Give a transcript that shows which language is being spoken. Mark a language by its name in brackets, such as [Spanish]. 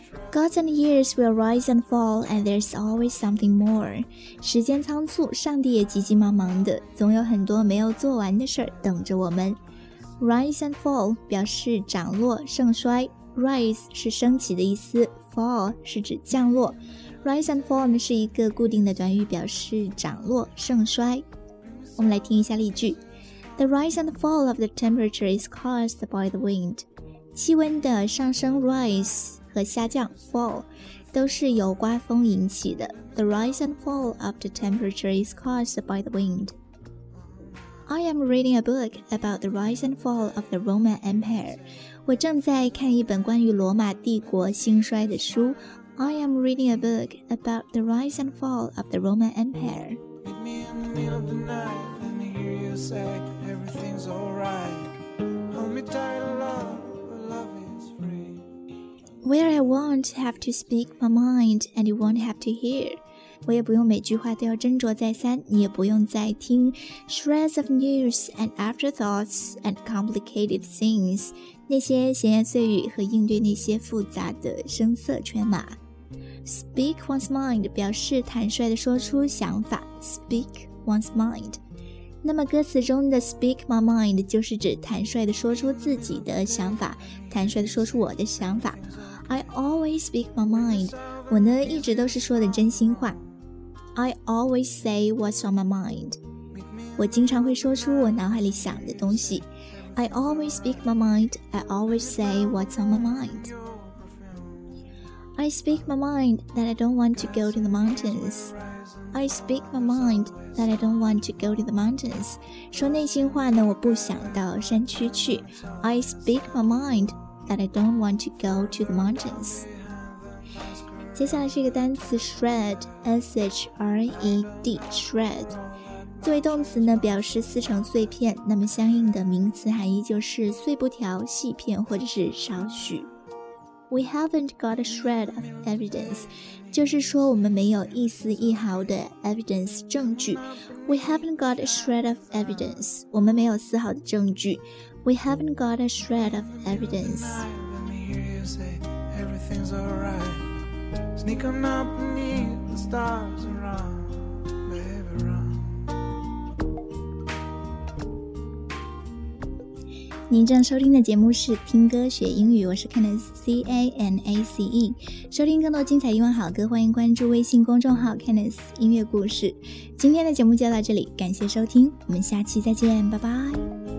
[English] Gods and years will rise and fall, and there's always something more. [Chinese] 时间仓促，上帝也急急忙忙的，总有很多没有做完的事儿等着我们。 Rise and fall 表示涨落、盛衰。 Rise 是升起的意思 ，fall 是指降落。 Rise and fall 呢是一个固定的短语，表示涨落、盛衰。我们来听一下例句 [English] ：The rise and fall of the temperature is caused by the wind. [Chinese] 气温的上升 rise和下降 fall 都是由刮风引起的。 [English] The rise and fall of the temperature is caused by the wind. I am reading a book about the rise and fall of the Roman Empire. [Chinese] 我正在看一本关于罗马帝国兴衰的书。 [English] I am reading a book about the rise and fall of the Roman Empire. Meet me in the middle of the night, let me hear you say everything's alright. Hold me tight, love, love is free Where I won't have to speak my mind and you won't have to hear. [Chinese] 我也不用每句话都要斟酌再三，你也不用再听 [English] shreds of news and afterthoughts and complicated things. [Chinese] 那些闲言碎语和应对那些复杂的声色犬马。 Speak one's mind 表示坦率地说出想法。 [English] Speak one's mind. [Chinese] 那么歌词中的 speak my mind 就是指坦率地说出自己的想法，坦率地说出我的想法。 [English] I always speak my mind. [Chinese] 我呢一直都是说的真心话。 [English] I always say what's on my mind. [Chinese] 我经常会说出我脑海里想的东西。 [English] I always speak my mind. I always say what's on my mind. I speak my mind that I don't want to go to the mountains. I speak my mind that I don't want to go to the mountains. [Chinese] 说内心话呢，我不想到山区去。 [English] I speak my mind. That I don't want to go to the mountains. [Chinese] 接下来是一个单词 shred, S-H-R-E-D, shred. 作为动词呢，表示撕成碎片，那么相应的名词含义就是碎布条、细片或者是少许。 [English] We haven't got a shred of evidence. [Chinese] 就是说我们没有一丝一毫的 evidence 证据。 [English] We haven't got a shred of evidence. [Chinese] 我们没有丝毫的证据。 [English] We haven't got a shred of evidence. Let me hear you say everything's alright. Sneak on up beneath the stars and run, baby, run. [Chinese] 您正收听的节目是听歌学英语，我是 Canace C-A-N-A-C-E。收听更多精彩英文好歌，欢迎关注微信公众号 Canace 音乐故事。今天的节目就到这里，感谢收听，我们下期再见，拜拜。